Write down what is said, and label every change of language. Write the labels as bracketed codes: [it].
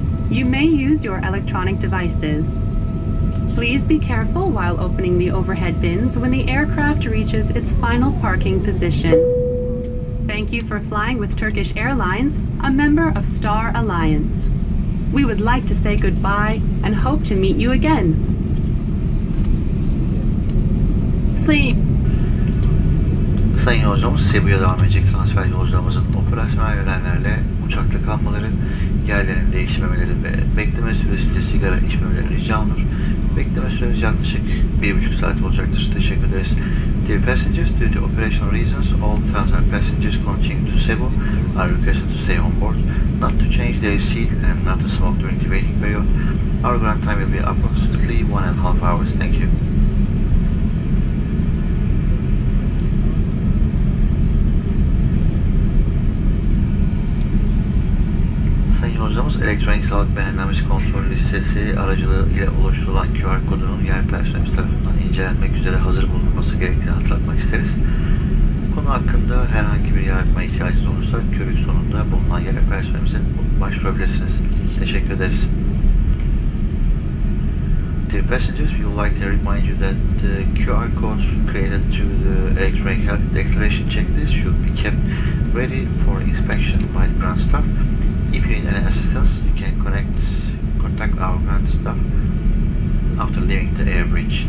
[en] You may use your electronic devices. Please be careful while opening the overhead bins when the aircraft reaches its final parking position. Thank you for flying with Turkish Airlines, a member of Star Alliance. We would like to say goodbye and hope to meet you again. [tr] Sayın yolcumuz, Sebu'ya devam edecek transfer yolcularımızın operasyonel nedenlerle uçakta kalmaları, yerlerin değişmemeleri ve bekleme süresince sigara içmemeleri rica olunur. Bekleme süreniz yaklaşık 1,5 saat olacaktır. Teşekkür ederiz. [en] Dear passengers, due to operational reasons, all transfer passengers continuing to Cebu are requested to stay on board, not to change their seat and not to smoke during the waiting period. Our ground time will be approximately 1.5 hours. Thank you. [tr] Yolcumuz elektronik sağlık beğenilmiş kontrol listesi aracılığı ile oluşturulan QR kodunun yer personeli tarafından incelenmek üzere hazır bulunması gerektiğini hatırlatmak isteriz. Konu hakkında herhangi bir yardıma ihtiyacınız olursa körük sonunda bulunan yer personelimize başvurabilirsiniz. Teşekkür ederiz. [en] Dear passengers, we would like to remind you that the QR codes created to the electronic health declaration checklist should be kept ready for inspection by the ground staff. If you need any assistance, you can contact our ground staff after leaving the air bridge.